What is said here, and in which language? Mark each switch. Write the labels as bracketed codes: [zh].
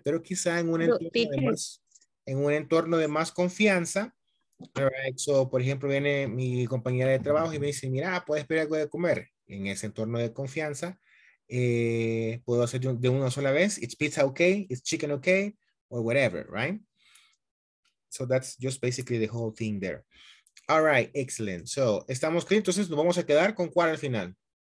[es] Pero quizá en un entorno de más confianza. All right. So, por ejemplo, viene mi compañera de trabajo y me dice, mira, ¿puedes pedir algo de comer? En ese entorno de confianza, puedo hacer de una sola vez. [en] It's pizza okay? It's chicken okay? Or whatever, right? So that's just basically the whole thing there. All right, excellent. So, estamos clean. [es] Entonces, nos vamos a quedar con cuál al final.